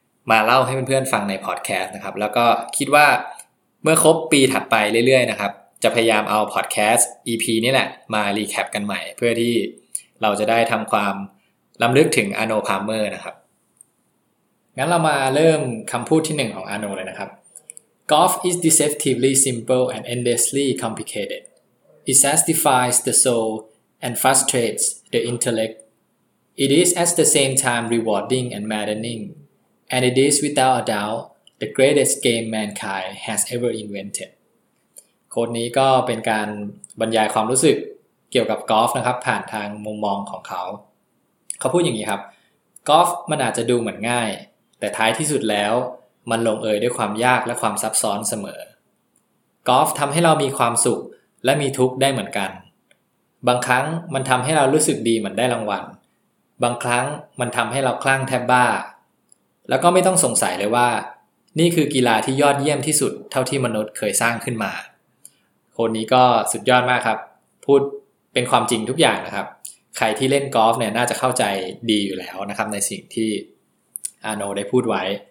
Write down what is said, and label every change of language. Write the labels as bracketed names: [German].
[Thai] มาเล่าให้เพื่อนๆฟังในพอดแคสต์นะครับแล้วก็คิดว่าเมื่อครบปีถัดไปเรื่อยๆนะครับจะพยายามเอาพอดแคสต์ EP นี้แหละมารีแคปกันใหม่เพื่อที่เราจะได้ทำความล้ำลึกถึงอาโนพาเมอร์นะครับงั้นเรามาเริ่มคำพูดที่1ของอาโนเลยนะครับ [English] Golf is deceptively simple and endlessly complicated. It satisfies the soul and frustrates the intellect. It is at the same time rewarding and maddening. And it is without a doubt the greatest game mankind has ever invented. [Thai] โค้ดนี้ก็เป็นการบรรยายความรู้สึกเกี่ยวกับกอล์ฟนะครับผ่านทางมุมมองของเขาเขาพูดอย่างนี้ครับกอล์ฟมันอาจจะดูเหมือนง่ายแต่ท้ายที่สุดแล้วมันลงเอยด้วยความยากและความซับซ้อนเสมอ กอล์ฟทำให้เรามีความสุขและมีทุกข์ได้เหมือนกันบางครั้งมันทำให้เรารู้สึกดีเหมือนได้รางวัลบางครั้งมันทำให้เราคลั่งแทบบ้าแล้วก็ไม่ต้องสงสัยเลยว่านี่คือกีฬาที่ยอดเยี่ยมที่สุดเท่าที่มนุษย์เคยสร้างขึ้นมาคนนี้ก็สุดยอดมากครับพูดเป็นความจริงทุกอย่างนะครับใครที่เล่นกอล์ฟเนี่ยน่าจะเข้าใจดีอยู่แล้วนะครับในสิ่งที่อาโนได้พูดไว้